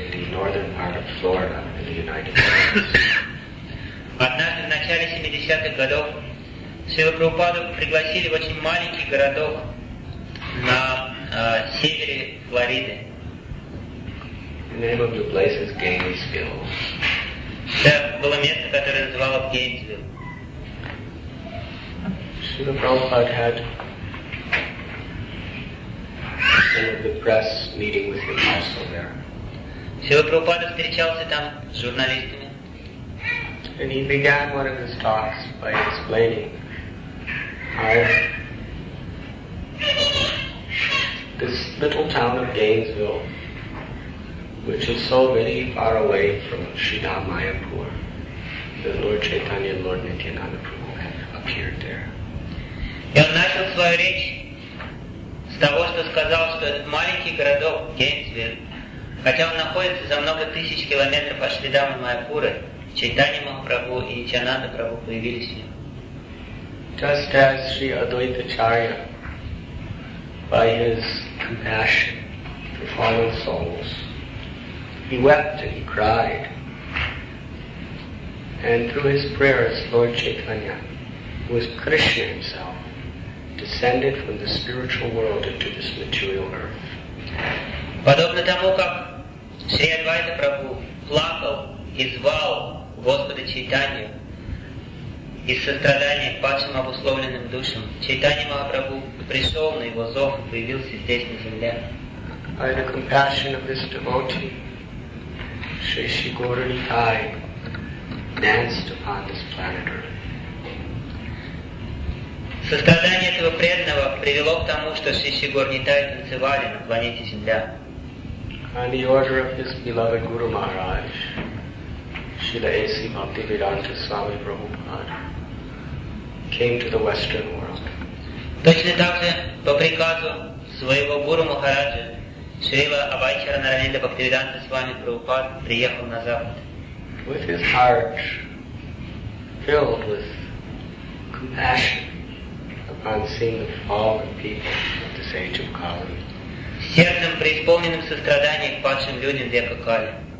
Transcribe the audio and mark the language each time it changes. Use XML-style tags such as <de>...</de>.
<en>Northern part of Florida in the United States.</en> <ru>Однажды в начале 70-х годов Шрила Прабхупаду пригласили в очень маленький городок на севере Флориды.</ru> <en>The name of the place is Gainesville.</en> <ru>Это было место, которое называлось Gainesville.</ru> <en>Шрила Прабхупада had one of the press meeting with him also there.</en> <ru>Шрила Прабхупада встречался там с журналистами.</ru> <en>And he began one of his talks by explaining how this little town of Gainesville, which is so very far away from Shida Mayapur, the Lord Chaitanya and Lord Nityananda Prabhu had appeared there.</en> <ru>И он начал свою речь с того, что сказал, что этот маленький городок Gainesville, хотя он находится за много тысяч километров от Шридама Майапуры, Чайтанья Махапрабху и Нитьянанда Прабху появились в нем.</ru> <en>Just as Sri Advaita Charya, by his compassion for fallen souls, he wept and he cried. And through his prayers, Lord Chaitanya, who is Krishna himself, descended from the spiritual world into this material earth.</en> <ru>Подобно тому, как Шри Адвайта Прабху плакал и звал Господа Чайтанью из сострадания к падшим обусловленным душам. Чайтанья Махапрабху пришел на его зов и появился здесь, на земле.</ru> <en>By the compassion of this devotee, Shri Shri Gaura Nithai danced upon this planet Earth.</en> <ru>Сострадание этого преданного привело к тому, что Шри Шри Гаура Нитай танцевали на планете Земля.</ru> <en>On the order of his beloved Guru Maharaj, Srila A.C. Bhaktivedanta Swami Prabhupada, came to the Western world.</en> <ru>Точно так же по приказу своего гуру Махараджа Шрила Абхайчара Нарайнинда Бхактивиданта с вами Прабхупад приехал на Запад.</ru> <en>With his heart filled with compassion upon seeing the fallen people of this age of Kali.</en> <ru>Сердцем преисполненным состраданием к падшим людям века Кали.</ru>